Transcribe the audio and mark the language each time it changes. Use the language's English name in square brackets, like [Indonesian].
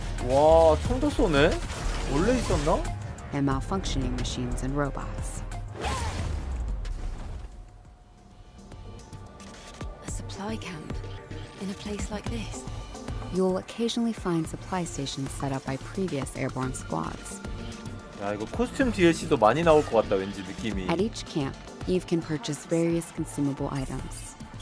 [Korean] 와, 총도 쏘네? 원래 있었나? [English] And malfunctioning machines and robots. A supply camp in a place like this. You'll occasionally find supply stations set up by previous airborne squads. [Korean] 야, 이거 코스튬 DLC도 많이 나올 것 같다. 왠지 느낌이. [English] At each camp, you can purchase various consumable items.